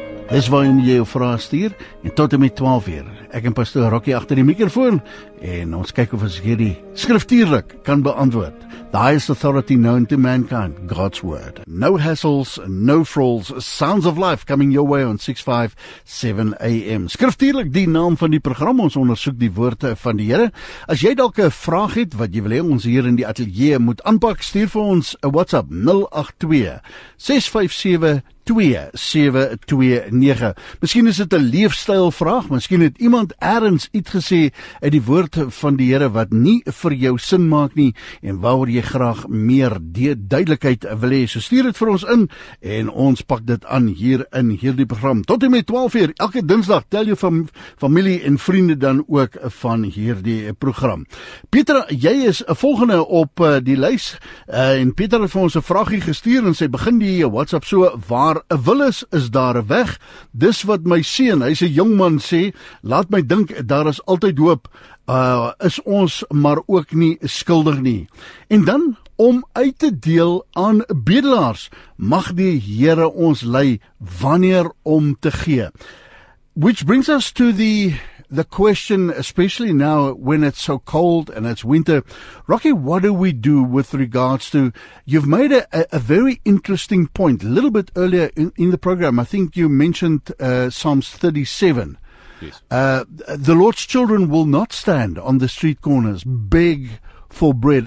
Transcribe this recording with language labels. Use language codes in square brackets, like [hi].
[af] Dis waarin jy jou vraag stuur. En tot en met 12 uur. Ek en pastoor Rocky achter die mikrofoon. En ons kyk of ons hierdie skriftuurlik kan beantwoord. [en] The highest authority known to mankind, God's word. No hassles, no frills, sounds of life coming your way on 657 AM. [af] Skriftuurlik die naam van die program, ons ondersoek die woorde van die Here. As jy dalk 'n vraag het wat jy wil hê ons hier in die atelier moet aanpak, stuur vir ons 'n WhatsApp 082-657-2729. Miskien is dit 'n leefstylvraag, miskien het iemand ergens iets gesê uit die woord van die Here wat nie vir jou sin maak nie en waaroor jy graag meer duidelikheid wil hê. So stuur dit vir ons in en ons pak dit aan hier in hierdie program. Tot en met 12 uur elke Dinsdag, tel jou familie en vriende dan ook van hierdie program. Petra, jy is volgende op die lys en Petra het vir ons 'n vraagie gestuur en sy begin die WhatsApp so: waar 'n wil is daar 'n weg. Dis wat my seun, hy's 'n jong man, sê, laat my dink, daar is altyd hoop. Is ons maar ook nie skuldig nie. En dan, om uit te deel aan bedelaars, mag die Here ons lei wanneer om te gee. [en] Which brings us to the the question, especially now when it's so cold and it's winter, Rocky, what do we do with regards to, you've made a very interesting point a little bit earlier in the program. I think you mentioned Psalms 37. Yes. The Lord's children will not stand on the street corners, beg for bread.